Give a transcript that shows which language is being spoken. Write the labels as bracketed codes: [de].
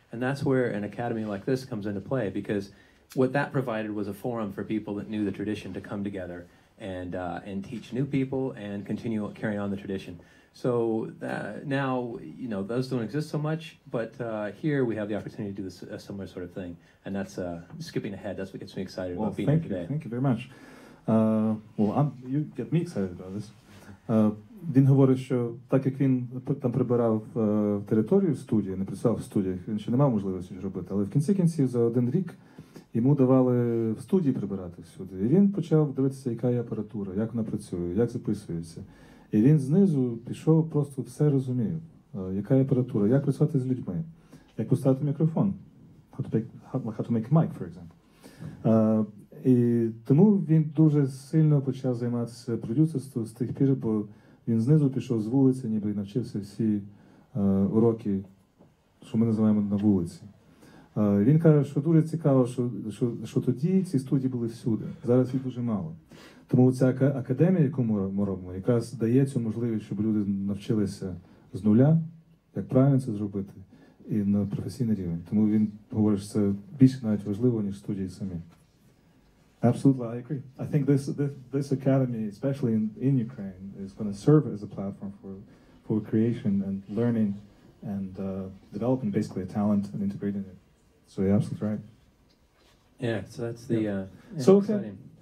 [en] And that's where an academy like this comes into play, because what that provided was a forum for people that knew the tradition to come together and teach new people and continue carrying on the tradition. So now, you know, those don't exist so much, but here we have the opportunity to do a similar sort of thing. And that's skipping ahead. That's what gets me excited about being here today. Thank you very much. You get me excited about this. [uk] Він говорить, що так як він там прибирав територію студії, не працював в студіях, він ще не мав можливості робити, але в кінці кінців за один рік йому давали в студії прибирати всюди. І він почав дивитися, яка є апаратура, як вона працює, як записується. І він знизу пішов, просто все розумів, яка є апаратура, як працювати з людьми, як поставити мікрофон, [en] how to make a mic, for example. [uk] І тому він дуже сильно почав займатися продюсерством з тих пір, бо він знизу пішов з вулиці, ніби і навчився всі уроки, що ми називаємо на вулиці. Він каже, що дуже цікаво, що тоді ці студії були всюди, зараз їх дуже мало. Тому ця академія, яку ми робимо, якраз дає цю можливість, щоб люди навчилися з нуля, як правильно це зробити, і на професійний рівень. Тому він говорить, що це більше навіть важливо, ніж студії самі. [en] Absolutely, I agree. I think this academy, especially in Ukraine, is going to serve as a platform for creation and learning and developing basically a talent and integrating it. So you're absolutely right. Yeah, so that's the exciting.